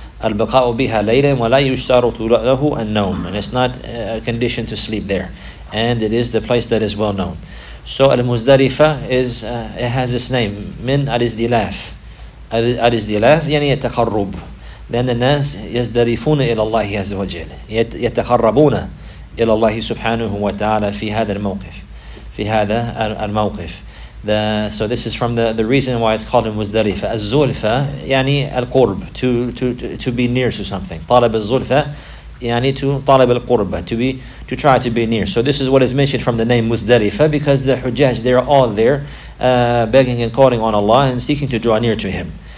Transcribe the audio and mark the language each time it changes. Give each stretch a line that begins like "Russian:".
Arabic: البقاء بها ليلا ولا يشترط له النوم.
English: And it's not a condition to sleep there. And it is the place that is well known. So المزدرفة is, it has this name.
Arabic: من الازدلاف. الازدلاف يعني يتقرب. لأن الناس يزدرفون إلى الله عز وجل. يتقربون إلى الله سبحانه وتعالى في هذا الموقف. في هذا الموقف.
English: So this is from the reason why it's called Muzdalifah. Al-Zulfa,
Arabic: yani al-Qurb,
English: to be near to something. Talib al-Zulfa, yani to talib al-Qurba, to try to be near. So this is what is mentioned from the name Muzdalifah, because the Hujjaj, they are all there begging and calling on Allah and seeking to draw near to Him.